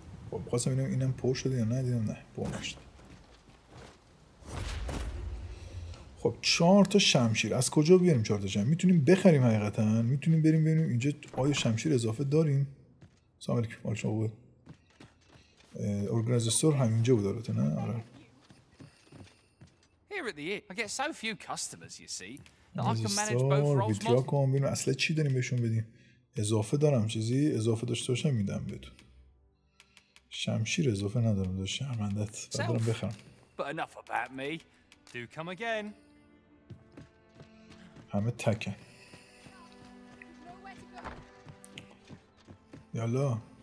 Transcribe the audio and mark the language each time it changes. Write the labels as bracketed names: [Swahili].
[Persian] خب خواستم اینم اینم پر شده یا نه دیدم نه پر نشد خب 4 تا شمشیر از کجا بیاریم 4 تا شمشیر میتونیم بخریم حقیقتا میتونیم بریم ببینیم اینجا آیا شمشیر اضافه داریم سلام علیکم حال شما بود اورگانایزر همینجا بود البته نه آره [English] here at the inn I get so few customers you see that I can manage both roles [Persian] ما ببینیم اصلا چی داریم بهشون بدیم اضافه دارم چیزی اضافه داشته باشم میدم بهت شمشیر اضافه ندارم داشتم شرمندت بذارم بخرم [English] but enough about me do come again [Persian] همه تکن یالا